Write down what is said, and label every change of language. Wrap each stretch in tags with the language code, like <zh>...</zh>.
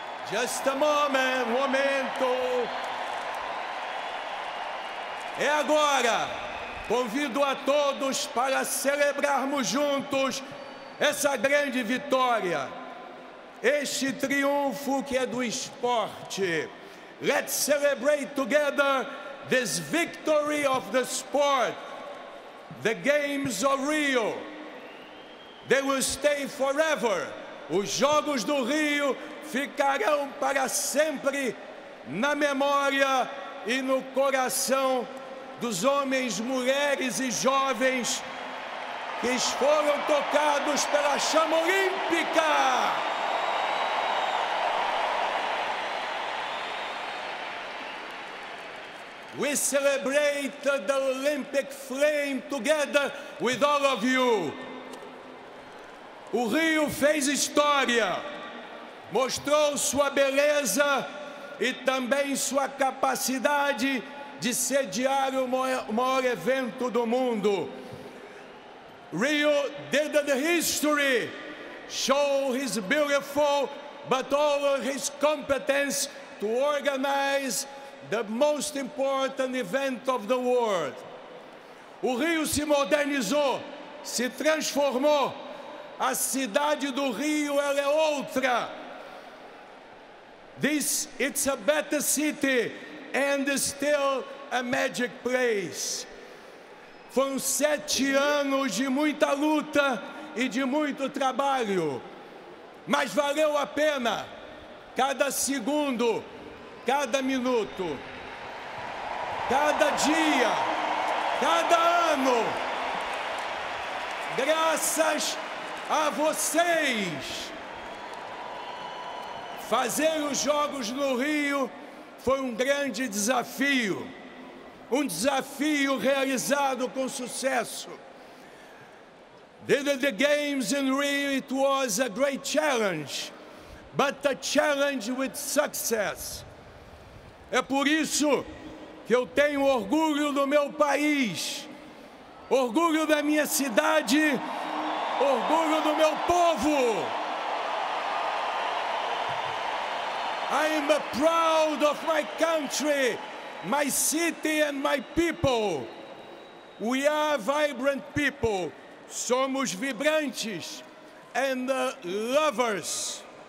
<en>Just a moment,</en> <pt>um momento. É agora. Convido a todos para celebrarmos juntos essa grande vitória. Este triunfo que é do esporte.</pt> <en>Let's celebrate together this victory of the sport. The Games of Rio. They will stay forever.</en> <pt>Os Jogos do Rio ficarão para sempre na memória e no coração dos homens, mulheres e jovens que foram tocados pela chama olímpica.</pt> <en>we celebrate the Olympic flame together with all of you.</en> <pt>O Rio fez história, mostrou sua beleza e também sua capacidade de sediar o maior evento do mundo.</pt> <en>Rio did the history, show his beautiful but all his competence to organize the most important event of the world.</en> <pt>O Rio se modernizou, se transformou. A cidade do Rio, ela é outra.</pt> <en>This, it's a better city and still a magic place.</en> <pt>Foram 7 anos de muita luta e de muito trabalho, mas valeu a pena cada segundo, cada minuto, cada dia, cada ano. Graças a vocês. Fazer os Jogos no Rio foi um grande desafio, um desafio realizado com sucesso.</pt> <en>Did the games in Rio, it was a great challenge, but a challenge with success.</en> <pt>É por isso que eu tenho orgulho do meu país, orgulho da minha cidade, orgulho do meu povo.</pt> <en>I am proud of my country, my city and my people. We are vibrant people.</en> <pt>Somos vibrantes</pt> <en>and lovers.</en>